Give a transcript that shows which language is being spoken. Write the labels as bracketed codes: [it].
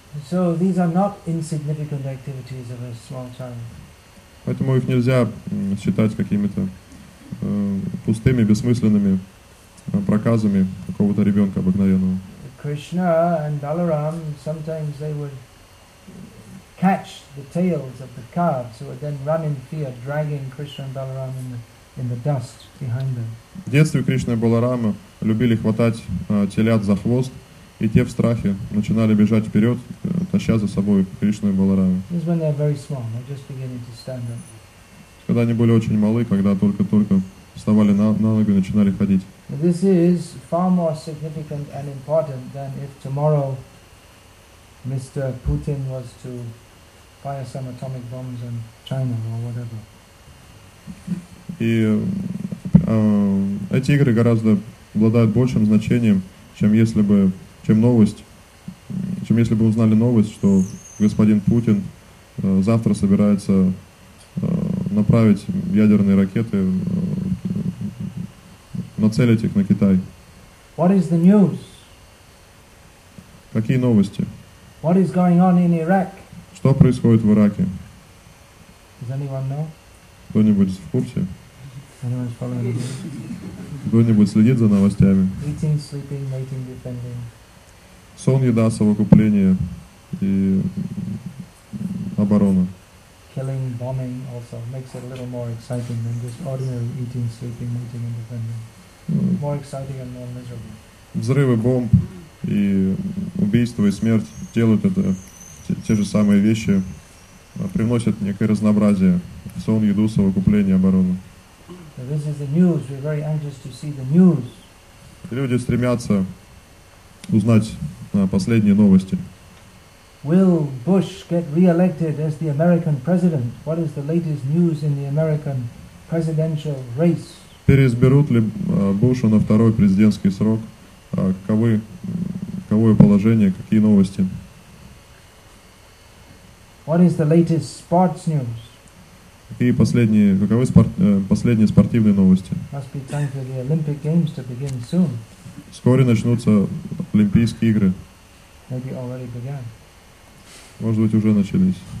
[en] So these are not insignificant activities of a small child. [ru] Поэтому их нельзя считать какими-то пустыми, бессмысленными проказами какого-то ребенка обыкновенного. [en] Krishna and Balaram, sometimes they would catch the tails of the calves who would then run in fear, dragging Krishna and Balaram in the dust behind them. [ru] В детстве Кришна и Баларама любили хватать телят за хвост, и те в страхе начинали бежать вперед, таща за собой Кришну и Баларама. [en] This is when they're very small, they're just beginning to stand up. [ru] Когда они были очень малы, когда только-только вставали на ноги и начинали ходить. [en] This is far more significant and important than if tomorrow Mr. Putin was to fire some atomic bombs on China or whatever. [ru] И эти игры гораздо обладают большим значением, чем если бы узнали новость, что господин Путин завтра собирается направить ядерные ракеты, нацелить их на Китай. [en] What is the news? [ru] Какие новости? [en] What is going on in Iraq? [ru] Что происходит в Ираке? [en] Does anyone know? [ru] Кто-нибудь в курсе? [en] Anyone following the news? [ru] Кто-нибудь следит за новостями? [en] Eating, sleeping, mating, defending. [ru] Сон, еда, совокупление и оборона. [en] Killing, bombing also makes it a little more exciting than just ordinary eating, sleeping, mating, and defending. More exciting and more miserable. [ru] Взрывы бомб и убийство и смерть делают это те же самые вещи, приносят некое разнообразие. Сон, еду, совокупление, оборону. [en] This is the news. We're very anxious to see the news. [ru] Люди стремятся узнать последние новости. [en] Will Bush get re-elected as the American president? What is the latest news in the American presidential race? [ru] Переизберут ли Буша на второй президентский срок? Каково его положение? Какие новости? [en] What is the latest sports news? [ru] Какие последние, каковы последние спортивные новости? [en] Must be time for the Olympic Games to begin soon. [ru] Вскоре начнутся Олимпийские игры. [en] Maybe already began. [ru] Может быть, уже начались.